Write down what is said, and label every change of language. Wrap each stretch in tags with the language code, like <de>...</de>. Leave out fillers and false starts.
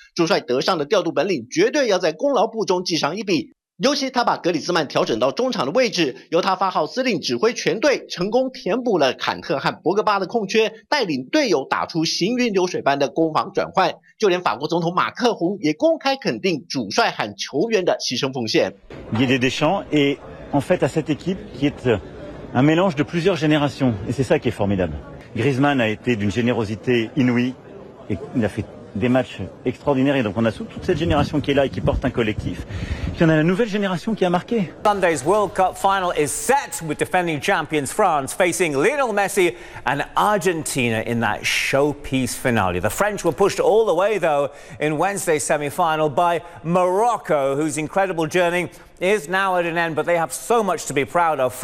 <zh>主帅德尚的调度本领绝对要在功劳簿中记上一笔，尤其他把格里兹曼调整到中场的位置，由他发号司令指挥全队，成功填补了坎特和博格巴的空缺，带领队友打出行云流水般的攻防转换。就连法国总统马克宏也公开肯定主帅和球员的牺牲奉献。</zh> <fr>Didier Deschamps est en fait à cette équipe qui est un mélange de plusieurs générations, et c'est ça qui est formidable. Griezmann a été d'une générosité inouïe, et il a fait des matchs extraordinaires, et donc on a toute cette génération qui est là et qui porte un collectif. Puis on a la nouvelle génération qui a marqué.</fr> <en>Sunday's World Cup final is set with defending champions France facing Lionel Messi and Argentina in that showpiece finale. The French were pushed all the way though in Wednesday's semi-final by Morocco, whose incredible journey is now at an end, but they have so much to be proud of.</en>